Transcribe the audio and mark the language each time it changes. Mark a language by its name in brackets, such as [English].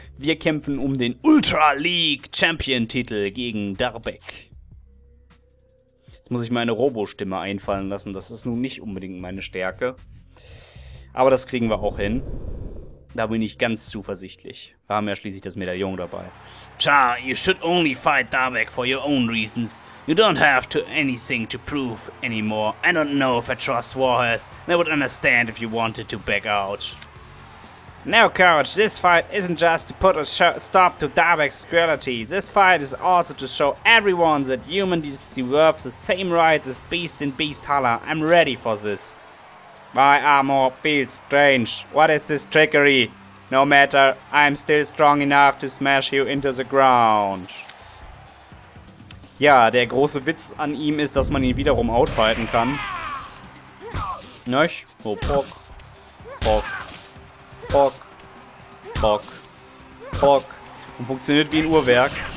[German] Wir kämpfen um den Ultra League Champion-Titel gegen Darbeck. Jetzt muss ich meine Robo-Stimme einfallen lassen. Das ist nun nicht unbedingt meine Stärke. Aber das kriegen wir auch hin. Da bin ich ganz zuversichtlich. Wir haben ja schließlich das Medaillon dabei. [English] Tja, you should only fight Darbeck for your own reasons. You don't have to anything to prove anymore. I don't know if I trust Warhurst. And I would understand if you wanted to back out. Now, coach, this fight isn't just to put a stop to Darbeck's cruelty. This fight is also to show everyone that humans deserve the same rights as beasts in Beasthalla. I'm ready for this. My armor feels strange. What is this trickery? No matter, I'm still strong enough to smash you into the ground. [German] Ja, der große Witz an ihm ist, dass man ihn wiederum outfighten kann. Nöch? Oh, Bock. Bock. Bock. Bock. Bock. Und funktioniert wie ein Uhrwerk.